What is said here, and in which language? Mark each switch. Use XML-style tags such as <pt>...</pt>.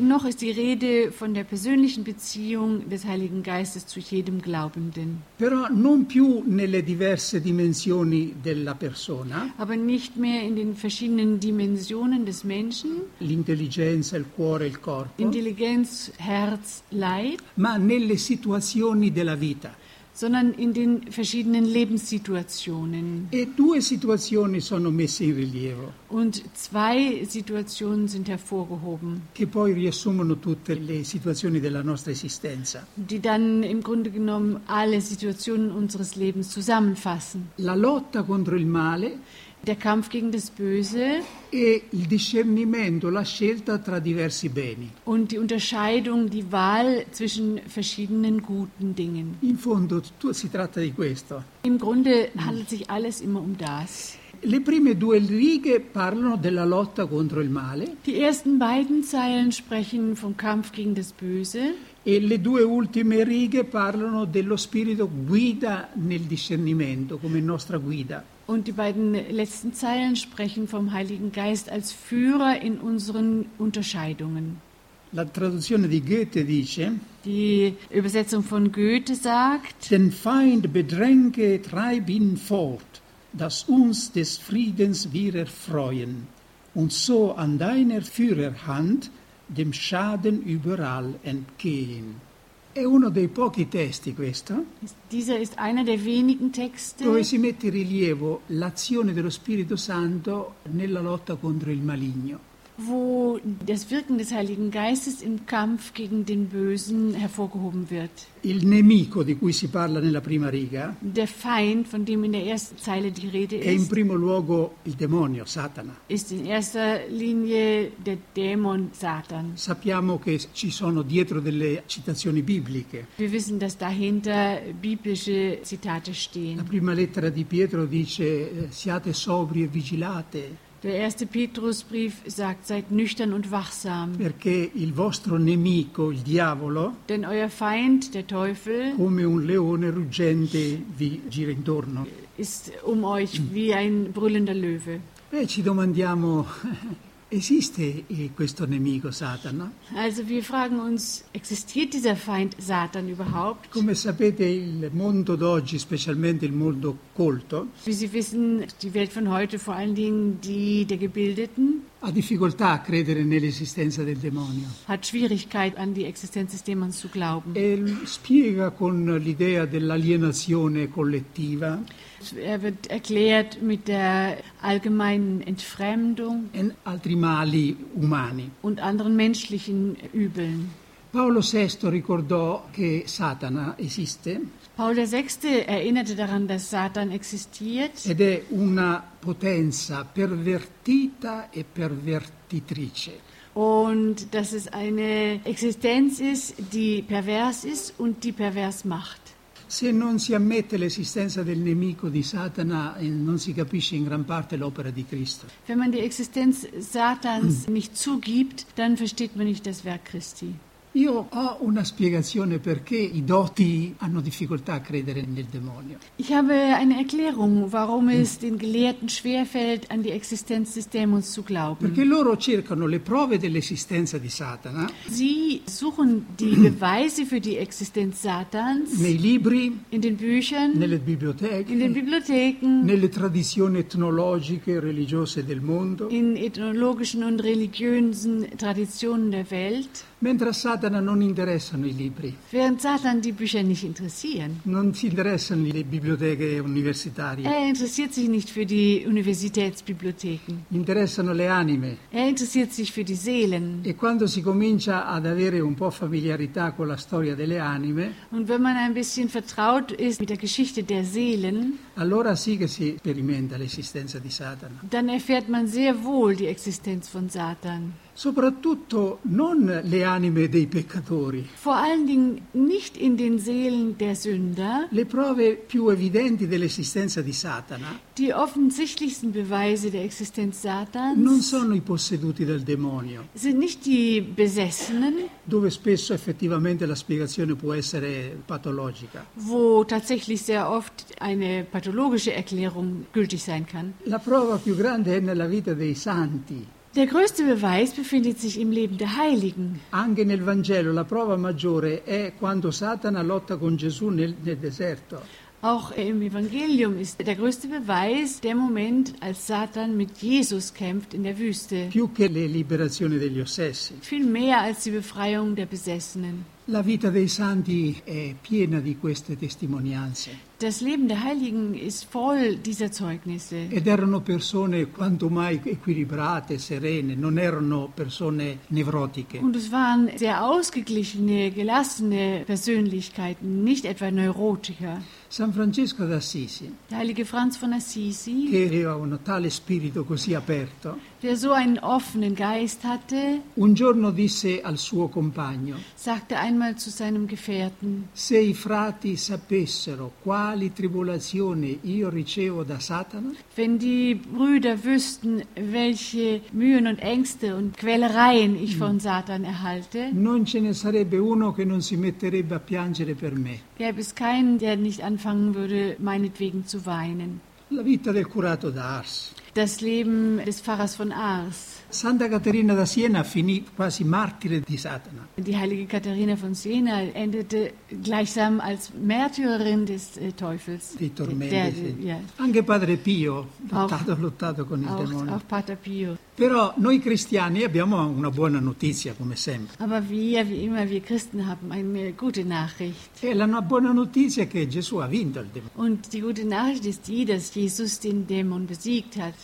<de>Noch ist die Rede von der persönlichen Beziehung des Heiligen Geistes zu jedem Glaubenden.</de> <it>Però non più nelle diverse dimensioni della persona.</it> <de>Aber nicht mehr in den verschiedenen Dimensionen des Menschen.</de> <it>L'intelligenza, il cuore, il corpo.</it> <de>Intelligenz, Herz, Leib.</de> <it>Ma nelle situazioni della vita.</it> <de>Sondern in den verschiedenen Lebenssituationen.</de> <it>E due situazioni sono messe in rilievo.</it> <de>Und zwei Situationen sind hervorgehoben.</de> <it>Che poi riassumono tutte le situazioni della nostra esistenza.</it> <de>Die dann im Grunde genommen alle Situationen unseres Lebens zusammenfassen.</de> <it>La lotta contro il male.</it> <de>Der Kampf gegen das Böse.</de> <it>E il discernimento, la scelta tra diversi beni.</it> <de>Und die Unterscheidung, die Wahl zwischen verschiedenen guten Dingen.</de> <it>In fondo, si tratta di questo.</it> <de>Im Grunde handelt sich alles immer um das.</de> <it>Le prime due righe parlano della lotta contro il male.</it> <de>Die ersten beiden Zeilen sprechen vom Kampf gegen das Böse.</de> <it>E le due ultime righe parlano dello spirito guida nel discernimento, come nostra guida.</it> <de>Und die beiden letzten Zeilen sprechen vom Heiligen Geist als Führer in unseren Unterscheidungen.</de> <it>La traduzione di Goethe dice,</it> <de>die Übersetzung von Goethe sagt, den Feind bedränke, treib ihn fort, dass uns des Friedens wir erfreuen und so an deiner Führerhand dem Schaden überall entgehen.</de> <it>È uno dei pochi testi questo.</it> <de>Dieser ist einer der wenigen Texte.</de> <it>Dove si mette in rilievo l'azione dello Spirito Santo nella lotta contro il maligno.</it> <de>Wo das Wirken des Heiligen Geistes im Kampf gegen den Bösen hervorgehoben wird.</de> <it>Il nemico di cui si parla nella prima riga.</it> <de>Der Feind, von dem in der ersten Zeile die Rede ist.</de> <it>È in primo luogo il demonio, Satana.</it> <de>Ist in erster Linie der Dämon Satan.</de> <it>Sappiamo che ci sono dietro delle citazioni bibliche.</it> <de>Wir wissen, dass dahinter biblische Zitate stehen.</de> <it>La prima lettera di Pietro dice: siate sobri e vigilate.</it> <de>Der erste Petrusbrief sagt, seid nüchtern und wachsam.</de> <it>Perché il vostro nemico, il diavolo,</it> <de>denn euer Feind, der Teufel,</de> <it>come un leone ruggente vi gira intorno.</it> <de>Ist um euch wie ein brüllender Löwe.</de> <it>Beh, ci domandiamo, esiste questo nemico Satana?</it> <de>Also wir fragen uns, existiert dieser Feind Satan überhaupt?</de> <it>Come sapete il mondo d'oggi, specialmente il mondo colto,</it> <de>wie Sie wissen, die Welt von heute, vor allen Dingen die der Gebildeten,</de> <it>ha difficoltà a credere nell'esistenza del demonio.</it> <de>Hat Schwierigkeit an die Existenz des Dämons zu glauben.</de> <it>E spiega con l'idea dell'alienazione collettiva.</it> <de>Er wird erklärt mit der allgemeinen Entfremdung und</de> <it>altri mali umani</it> <de>und anderen menschlichen Übeln.</de> <it>Paolo VI ricordò che Satana esiste.</it> <de>Paolo VI erinnerte daran, dass Satan existiert.</de> <it>Ed è una potenza pervertita e pervertitrice.</it> <de>Und dass es eine Existenz ist, die pervers ist und die pervers macht.</de> <it>Se non si ammette l'esistenza del nemico di Satana, non si capisce in gran parte l'opera di Cristo.</it> <de>Wenn man die Existenz Satans nicht zugibt, dann versteht man nicht das Werk Christi.</de> <it>Io ho una spiegazione perché i doti hanno difficoltà a credere nel demonio.</it> <de>Ich habe eine Erklärung, warum es den Gelehrten schwerfällt, an die Existenz des Dämons zu glauben.</de> <it>Perché loro cercano le prove dell'esistenza di Satana.</it> <de>Sie suchen die Beweise für die Existenz Satans.</de> <it>Nei libri.</it> <de>In den Büchern.</de> <it>Nelle biblioteche.</it> <de>In den Bibliotheken.</de> <it>Nelle tradizioni etnologiche e religiose del mondo.</it> <de>In ethnologischen und religiösen Traditionen der Welt.</de> <it>Mentre a Satana non interessano i libri.</it> <de>Während Satan die Bücher nicht interessieren.</de> <it>Non si interessano le biblioteche universitarie.</it> <de>Er interessiert sich nicht für die Universitätsbibliotheken.</de> <it>Interessano le anime.</it> <de>Er interessiert sich für die Seelen.</de> <it>E quando si comincia ad avere un po' familiarità con la storia delle anime.</it> <de>Und wenn man ein bisschen vertraut ist mit der Geschichte der Seelen.</de> <it>Allora sì che si sperimenta l'esistenza di Satana.</it> <de>Dann erfährt man sehr wohl die Existenz von Satan.</de> <it>Soprattutto non le anime dei peccatori.</it> <de>Vor allen Dingen nicht in den Seelen der Sünder.</de> <it>Le prove più evidenti dell'esistenza di Satana.</it> <de>Die offensichtlichsten Beweise der Existenz Satans.</de> <it>Non sono i posseduti dal demonio.</it> <de>Sind nicht die Besessenen.</de> <it>Dove spesso effettivamente la spiegazione può essere patologica.</it> <de>Wo tatsächlich sehr oft eine pathologische Erklärung gültig sein kann.</de> <it>La prova più grande è nella vita dei santi.</it> <de>Der größte Beweis befindet sich im Leben der Heiligen.</de> <it>Anche nel Vangelo la prova maggiore è quando Satana lotta con Gesù nel deserto.</it> <de>Auch im Evangelium ist der größte Beweis der Moment, als Satan mit Jesus kämpft in der Wüste.</de> <it>Più che le liberazioni degli ossessi.</it> <de>Viel mehr als die Befreiung der Besessenen.</de> <it>La vita dei santi è piena di queste testimonianze.</it> <de>Das Leben der Heiligen ist voll dieser Zeugnisse.</de> <it>Ed erano persone quanto mai equilibrate, serene, non erano persone nevrotiche.</it> <de>Und es waren sehr ausgeglichene, gelassene Persönlichkeiten, nicht etwa Neurotiker.</de> <it>San Francesco d'Assisi.</it> <de>Der heilige Franz von Assisi.</de> <it>Che aveva un tale spirito così aperto.</it> <de>Der so einen offenen Geist hatte.</de> <it>Un giorno disse al suo compagno.</it> <de>Sagte einmal zu seinem Gefährten.</de> <it>Se i frati sapessero quali tribolazioni io ricevo da Satana.</it> <de>Wenn die Brüder wüssten, welche Mühen und Ängste und Quälereien ich von Satan erhalte.</de> <it>Non ce ne sarebbe uno che non si metterebbe a piangere per me.</it> <de>Gäbe es keinen, der nicht anfangen würde, meinetwegen zu weinen.</de> <it>La vita del curato d'Ars.</it> <de>Das Leben des Pfarrers von Ars.</de> <it>Santa Caterina da Siena finì quasi martire di Satana.</it> <de>Die heilige Katharina von Siena endete gleichsam als Märtyrerin des Teufels.</de> <it>Di tormenti. Yeah. Anche Padre Pio lottato con il demonio.</it> <de>Auch Pater Pio.</de> <it>Però noi cristiani abbiamo una buona notizia, come sempre.</it> <de>Aber wie immer, wir Christen haben eine gute Nachricht.</de> <it>E la buona notizia è che Gesù ha vinto il demonio.</it> <de>Und die gute Nachricht ist die, dass Jesus den Dämon besiegt hat.</de>